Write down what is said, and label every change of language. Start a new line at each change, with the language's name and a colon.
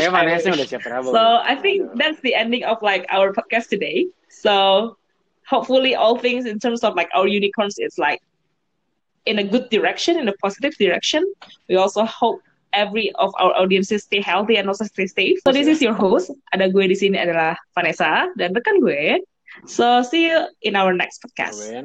English: Okay, Vanessa, I wish. Udah siap travel. So I think that's the ending of like our podcast today. So hopefully all things in terms of like our unicorns is like in a good direction, in a positive direction. We also hope every of our audiences stay healthy and also stay safe. So this is your host.
Indonesian: Ada gue di sini adalah Vanessa dan rekan gue.
English: So see you in our next podcast.